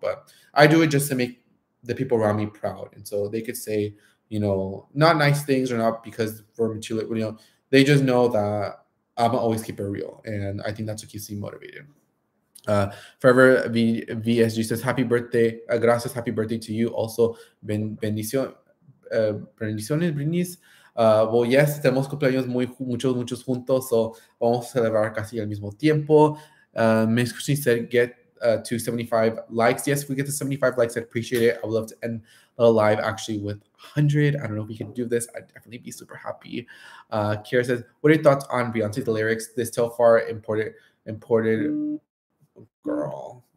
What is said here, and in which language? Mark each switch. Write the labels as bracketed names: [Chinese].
[English] But I do it just to make the people around me proud. And so they could say, you know, not nice things or not because for material, you know, they just know that I'm always keep it real. And I think that's what keeps me motivated. Forever VSG says, happy birthday. [Spanish] Gracias, [English] happy birthday to you. Also, [Spanish] bendiciones, [English] Brindis. Well, yes, [Spanish] tenemos cumpleaños muy muchos, muchos juntos. [English] So [Spanish] vamos a celebrar casi al mismo tiempo. [English] Miss Christine said, get to 75 likes. Yes, if we get to 75 likes, I'd appreciate it. I would love to end live actually with 100. I don't know if we can do this. I'd definitely be super happy. Kira says, what are your thoughts on Beyonce, the lyrics? This Telfar imported girl.